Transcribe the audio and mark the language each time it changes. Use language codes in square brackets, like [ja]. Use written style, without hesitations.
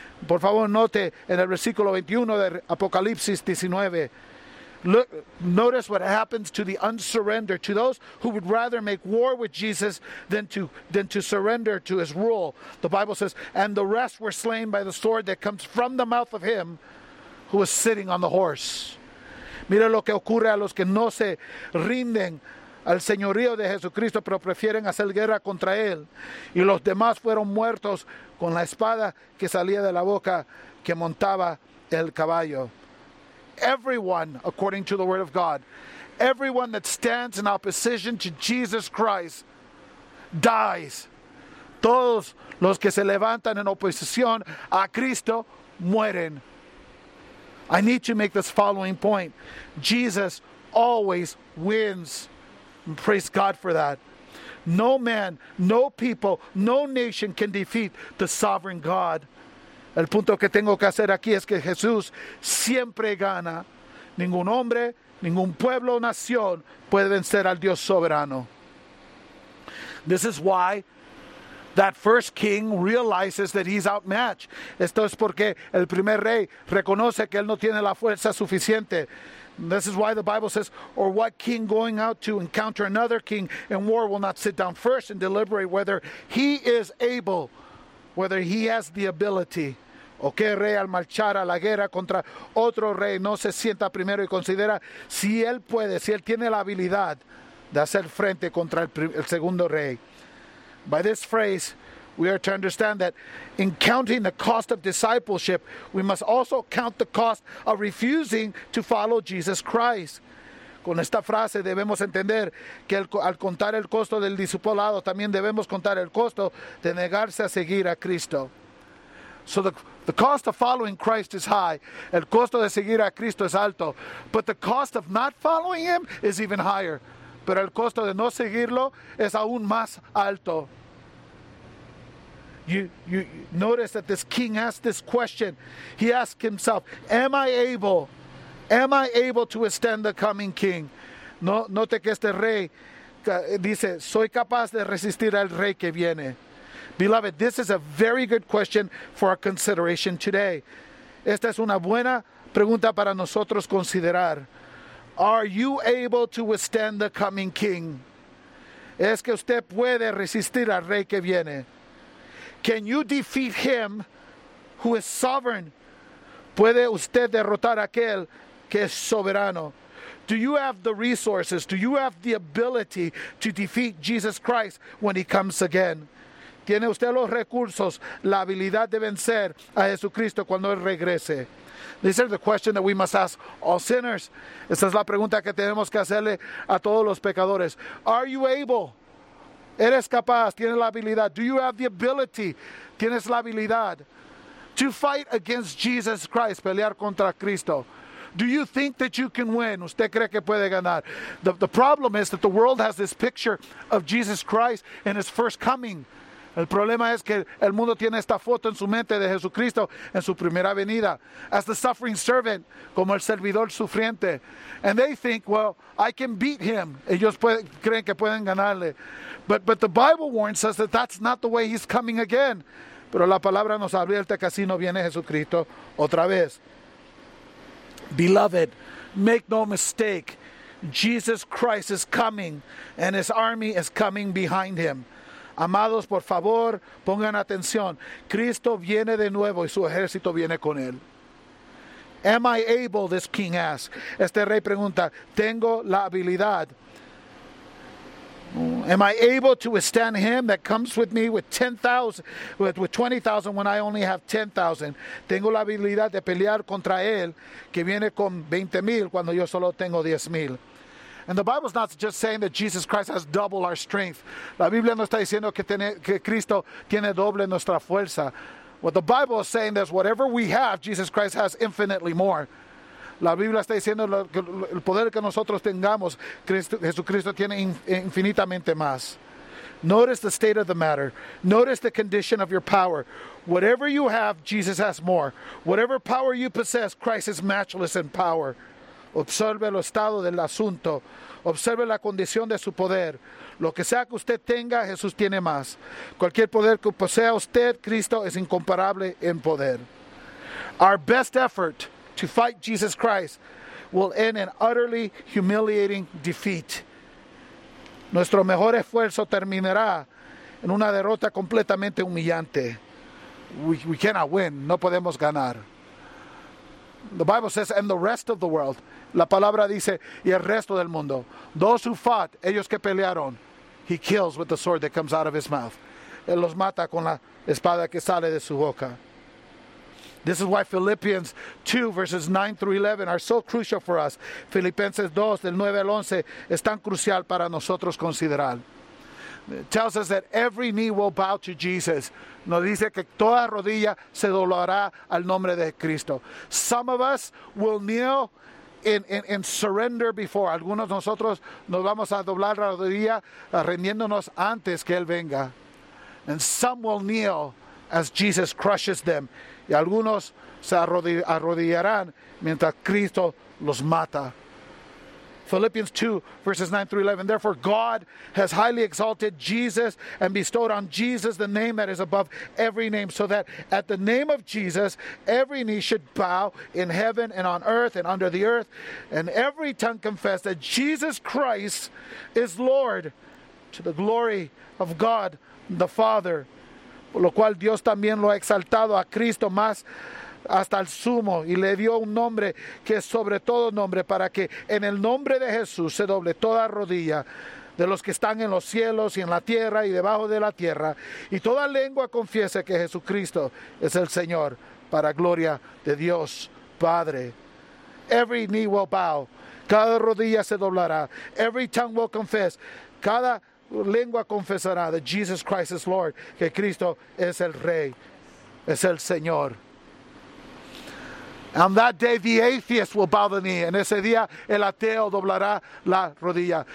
[es] Por favor, note en el versículo 21 de Apocalipsis 19. [en] Look, notice what happens to the unsurrendered, to those who would rather make war with Jesus than to surrender to his rule. The Bible says, "And the rest were slain by the sword that comes from the mouth of him who was sitting on the horse." [es] Mira lo que ocurre a los que no se rinden al señorío de Jesucristo, pero prefieren hacer guerra contra él. Y los demás fueron muertos con la espada que salía de la boca que montaba el caballo. [en] Everyone, according to the word of God, everyone that stands in opposition to Jesus Christ dies. [es] Todos los que se levantan en oposición a Cristo mueren. [en] I need to make this following point. Jesus always wins. And praise God for that. No man, no people, no nation can defeat the sovereign God. [es] El punto que tengo que hacer aquí es que Jesús siempre gana. Ningún hombre, ningún pueblo o nación puede vencer al Dios soberano. [en] This is why that first king realizes that he's outmatched. [es] Esto es porque el primer rey reconoce que él no tiene la fuerza suficiente. [en] This is why the Bible says, "Or what king going out to encounter another king in war will not sit down first and deliberate whether he is able, whether he has the ability, [es] ¿O qué rey al marchar a la guerra contra otro rey no se sienta primero y considera si él puede, si él tiene la habilidad de hacer frente contra el segundo rey? [en] By this phrase, we are to understand that in counting the cost of discipleship, we must also count the cost of refusing to follow Jesus Christ. [es] Con esta frase debemos entender que al contar el costo del discipulado, también debemos contar el costo de negarse a seguir a Cristo. [en] So the cost of following Christ is high. [es] El costo de seguir a Cristo es alto. [en] But the cost of not following him is even higher. [es] Pero el costo de no seguirlo es aún más alto. [en] You notice that this king asked this question. He asked himself, am I able? Am I able to withstand the coming king? [es] No, note que este rey dice, soy capaz de resistir al rey que viene. [en] Beloved, this is a very good question for our consideration today. [es] Esta es una buena pregunta para nosotros considerar. [en] Are you able to withstand the coming king? [es] Es que usted puede resistir al rey que viene. [en] Can you defeat him who is sovereign? [es] ¿Puede usted derrotar a aquel que es soberano? [en] Do you have the resources? Do you have the ability to defeat Jesus Christ when he comes again? [es] ¿Tiene usted los recursos, la habilidad de vencer a Jesucristo cuando él regrese? [en] This is the question that we must ask all sinners. [es] Esta es la pregunta que tenemos que hacerle a todos los pecadores. [en] Are you able? [es] ¿Eres capaz? ¿Tienes la habilidad? [en] Do you have the ability? [es] ¿Tienes la habilidad? [en] To fight against Jesus Christ, [es] pelear contra Cristo. [en] Do you think that you can win? [es] ¿Usted cree que puede ganar? [en] The problem is that the world has this picture of Jesus Christ in his first coming. [es] El problema es que el mundo tiene esta foto en su mente de Jesucristo en su primera venida. [en] As the suffering servant, [es] como el servidor sufriente. [en] And they think, well, I can beat him. [es] Ellos creen que pueden ganarle. [en] But the Bible warns us that that's not the way he's coming again. [es] Pero la palabra nos advierte que así no viene Jesucristo otra vez. [en] Beloved, make no mistake. Jesus Christ is coming and his army is coming behind him. [es] Amados, por favor, pongan atención. Cristo viene de nuevo y su ejército viene con él. [en] Am I able, this king asks. [es] Este rey pregunta, ¿tengo la habilidad? [en] Am I able to withstand him that comes with me with 10,000, with 20,000 when I only have 10,000? [es] ¿Tengo la habilidad de pelear contra él que viene con 20,000 cuando yo solo tengo 10,000? [en] And the Bible's not just saying that Jesus Christ has double our strength. [es] La Biblia no está diciendo que Cristo tiene doble nuestra fuerza. [en] What the Bible is saying is whatever we have, Jesus Christ has infinitely more. [es] La Biblia está diciendo que el poder que nosotros tengamos, Jesucristo tiene infinitamente más. [en] Notice the state of the matter. Notice the condition of your power. Whatever you have, Jesus has more. Whatever power you possess, Christ is matchless in power. [es] Observe el estado del asunto. Observe la condición de su poder. Lo que sea que usted tenga, Jesús tiene más. Cualquier poder que posea usted, Cristo es incomparable en poder. [en] Our best effort to fight Jesus Christ will end in utterly humiliating defeat. [es] Nuestro mejor esfuerzo terminará en una derrota completamente humillante. [en] We cannot win. [es] No podemos ganar. [en] The Bible says, and the rest of the world. [es] La palabra dice, y el resto del mundo. [en] Those who fought, [es] ellos que pelearon, [en] he kills with the sword that comes out of his mouth. [es] Él los mata con la espada que sale de su boca. [en] This is why Philippians 2, verses 9 through 11 are so crucial for us. [es] Filipenses 2, del 9 al 11, es tan crucial para nosotros considerar. [en] It tells us that every knee will bow to Jesus. [es] Nos dice que toda rodilla se doblará al nombre de Cristo. [en] Some of us will kneel in surrender before. [es] Algunos de nosotros nos vamos a doblar la rodilla rindiéndonos antes que Él venga. [en] And some will kneel as Jesus crushes them. [es] Y algunos se arrodillarán mientras Cristo los mata. [en] Philippians 2, verses 9 through 11. Therefore, God has highly exalted Jesus and bestowed on Jesus the name that is above every name, so that at the name of Jesus, every knee should bow in heaven and on earth and under the earth, and every tongue confess that Jesus Christ is Lord, to the glory of God the Father. [es] lo cual Dios también lo ha exaltado a Cristo más hasta el sumo y le dio un nombre que es sobre todo nombre, para que en el nombre de Jesús se doble toda rodilla de los que están en los cielos y en la tierra y debajo de la tierra, y toda lengua confiese que Jesucristo es el Señor, para gloria de Dios Padre. [en] Every knee will bow, [es] cada rodilla se doblará. [en] Every tongue will confess, [es] cada lengua confesará [en] that Jesus Christ is Lord, [es] que Cristo es el Rey, es el Señor. [en] On that day the atheist will bow the knee. [es] En ese día el ateo doblará la rodilla.